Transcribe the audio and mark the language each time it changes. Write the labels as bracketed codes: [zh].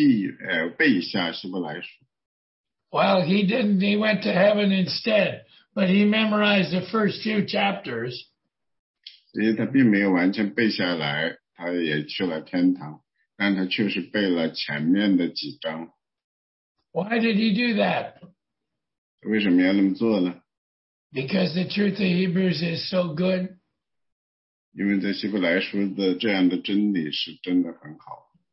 [zh] 所以他父亲在79岁或者是可能比那小一点的时候，他说我要背一下希伯来书。 [en] Well, he didn't. He went to heaven instead, but he memorized the first few chapters. [zh] 因为他并没有完全背下来，他也去了天堂，但他确实背了前面的几章。 [en] Why did he do that? [zh] 为什么要那么做呢? [en] Because the truth of Hebrews is so good. [zh] 因为在希伯来书的这样的真理是真的很好。